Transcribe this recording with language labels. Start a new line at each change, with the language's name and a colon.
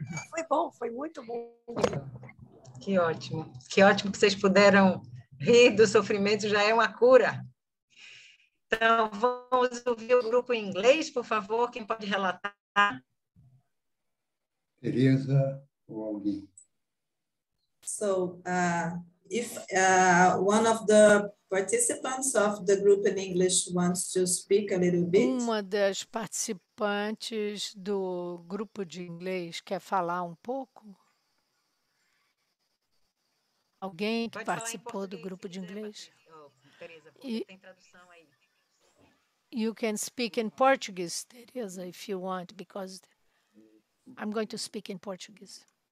Portuguese: Foi bom, foi muito bom. Que ótimo. Que ótimo que vocês puderam rir do sofrimento, já é uma cura. Então, vamos ouvir o grupo em inglês, por favor, quem pode relatar? Tereza ou alguém?
English: So, if one of the participants of the group in English wants to speak a little bit.
Portuguese: Uma das participantes do grupo de inglês quer falar um pouco? Alguém que pode participou do grupo de inglês? Tereza, tem tradução aí.
English: You can speak in Portuguese, Tereza, if you want, because I'm going to speak in Portuguese.